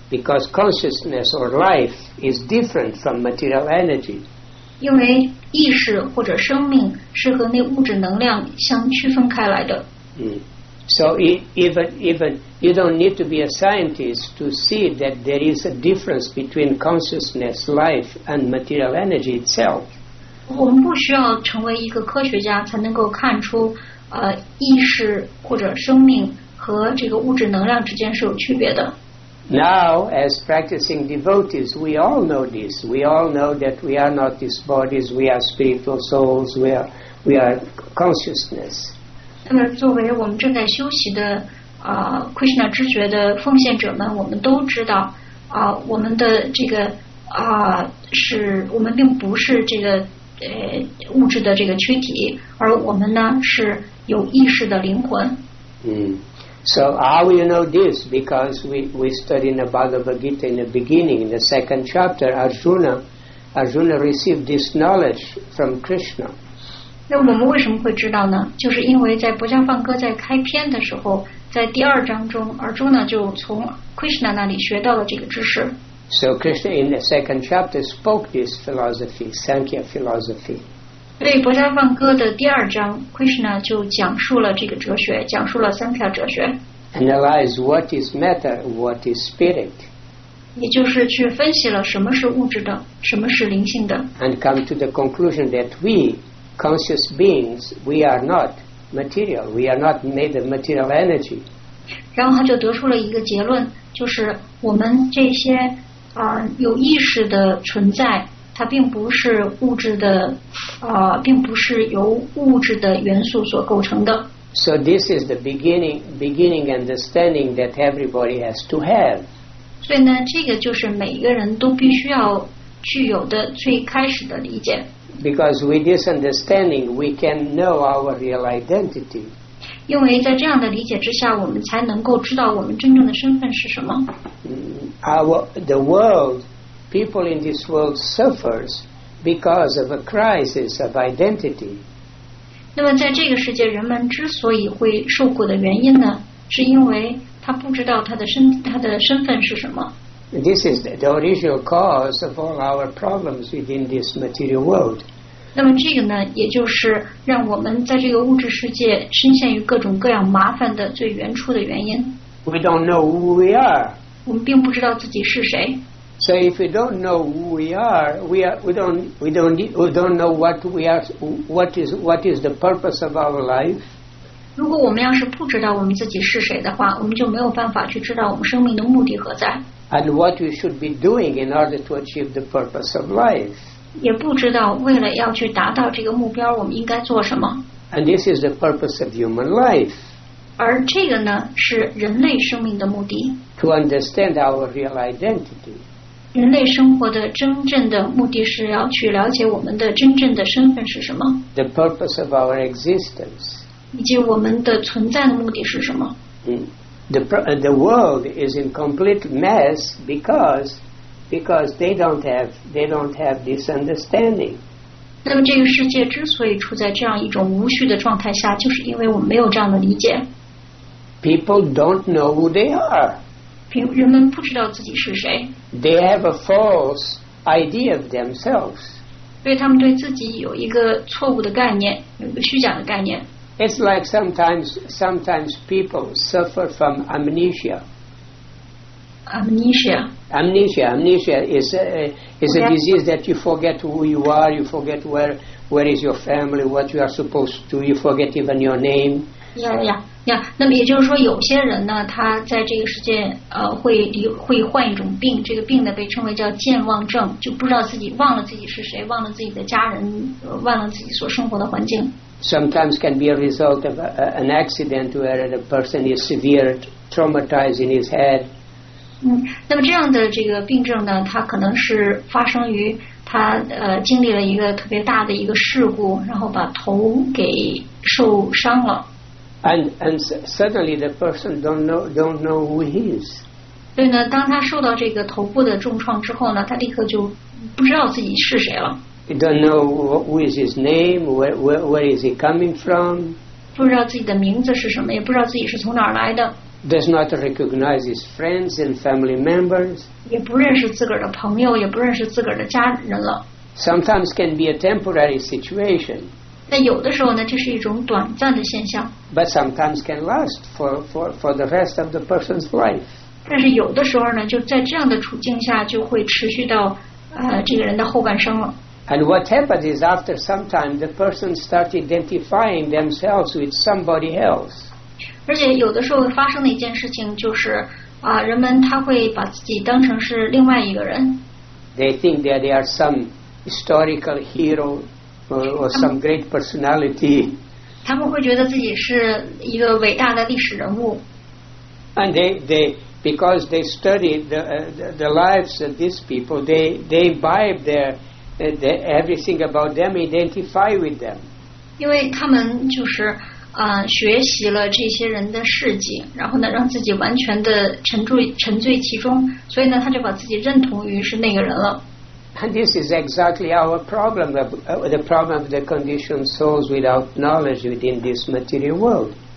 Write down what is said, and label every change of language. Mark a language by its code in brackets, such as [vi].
[en] because consciousness or life is different from material energy. [zh] 因为意识或者生命是和那物质能量相区分开来的。 [en] So even you don't need to be a scientist to see that there is a difference between consciousness, life, and material energy itself. [zh] 我们不需要成为一个科学家才能够看出意识或者生命和这个物质能量之间是有区别的。 [en] Now, as practicing devotees, we all know this. We all know that we are not these bodies, we are spiritual souls, we are consciousness. [zh] 那么作为我们正在修习的Krishna 知觉的奉献者们，我们都知道我们的这个是我们并不是这个物质的这个躯体，而我们呢是有意识的灵魂。 [en] So how you know this? Because we studied in the Bhagavad Gita in the beginning, in the second chapter, Arjuna received this knowledge from Krishna. [zh] 那我们为什么会知道呢？就是因为在《不加梵歌》在开篇的时候，在第二章中 ，Arjuna 就从 Krishna 那里学到了这个知识。 [en] So Krishna in the second chapter spoke this philosophy, Sankhya philosophy. [zh] 所以《博迦梵歌》的第二章 ，Krishna 就讲述了这个哲学，讲述了三条哲学。 [en] Analyze what is matter, what is spirit. [zh] 也就是去分析了什么是物质的，什么是灵性的。 [en] And come to the conclusion that we, conscious beings, we are not material. We are not made of material energy. [zh] 然后他就得出了一个结论，就是我们这些有意识的存在。它并不是物质的并不是由物质的元素所构成的。 [en] So this is the beginning understanding that everybody has to have. [zh] 所以呢这个就是每一个人都必须要具有的最开始的理解。 [en] Because with this understanding, we can know our real identity. [zh] 因为在这样的理解之下，我们才能够知道我们真正的身份是什么。 [en] The world,people in this world suffers because of a crisis of identity. [zh] 那么在这个世界人们之所以会受苦的原因呢，是因为他不知道他的身份是什么。 [en] This is the original cause of all our problems within this material world. [zh] 那么这个呢，也就是让我们在这个物质世界深陷于各种各样麻烦的最原初的原因。 [en] We don't know who we are. [zh] 我们并不知道自己是谁。 [en] So if we don't know who we don't know what is the purpose of our life. [zh] 如果我们要是不知道我们自己是谁的话，我们就没有办法去知道我们生命的目的何在。 [en] And what we should be doing in order to achieve the purpose of life. [zh] 也不知道为了要去达到这个目标，我们应该做什么。 [en] And this is the purpose of human life. [zh] 而这个呢，是人类生命的目的。 [en] To understand our real identity. [zh] 人类生活的真正的目的是要去了解我们的真正的身份是什么。 [en] The purpose of our existence. [zh] 以及我们的存在的目的是什么。 [en] The world is in complete mess because they don't have this understanding. [zh] 那么这个世界之所以处在这样一种无序的状态下，就是因为我们没有这样的理解。 [en] People don't know who they are. [zh] 人们不知道自己是谁。 [en] They have a false idea of themselves. [zh] 对他们对自己有一个错误的概念，有一个虚假的概念。 [en] It's like sometimes people suffer from amnesia. Amnesia is a disease that you forget who you are, you forget where is your family, what you are supposed to, you forget even your name. Yeah. [zh] 那么也就是说，有些人呢，他在这个世界会患一种病，这个病呢被称为叫健忘症，就不知道自己忘了自己是谁，忘了自己的家人，忘了自己所生活的环境。 [en] Sometimes can be a result of an accident where the person is severe traumatized in his head. [zh] 那么这样的这个病症呢，它可能是发生于他经历了一个特别大的一个事故，然后把头给受伤了。 [en] And suddenly the person don't know who he is. [zh] 对呢，当他受到这个头部的重创之后呢，他立刻就不知道自己是谁了。 [en] He don't know who is his name, where is he coming from. [zh] 不知道自己的名字是什么，也不知道自己是从哪儿来的。 [en] does not recognize his friends and family members. [zh] 也不认识自个儿的朋友，也不认识自个儿的家人了。 [en] Sometimes can be a temporary situation. [zh] 但有的时候呢，这是一种短暂的现象。 [en] But sometimes can last for the rest of the person's life. [zh] 但是有的时候呢，就在这样的处境下，就会持续到这个人的后半生了。 [en] And what happened is after some time the person started identifying themselves with somebody else. [zh] 而且有的时候发生的一件事情就是人们他会把自己当成是另外一个人。 [en] They think that they are some historical hero or some great personality. [zh] 他们会觉得自己是一个伟大的历史人物。 [en] And they because they studied the lives of these people, they imbibe their everything about them, identify with them. [zh] 因为他们就是学习了这些人的事迹，然后呢，让自己完全的沉醉其中，所以呢，他就把自己认同于是那个人了。 [en] And this is exactly our problem, the problem of the conditioned souls without knowledge within this material world.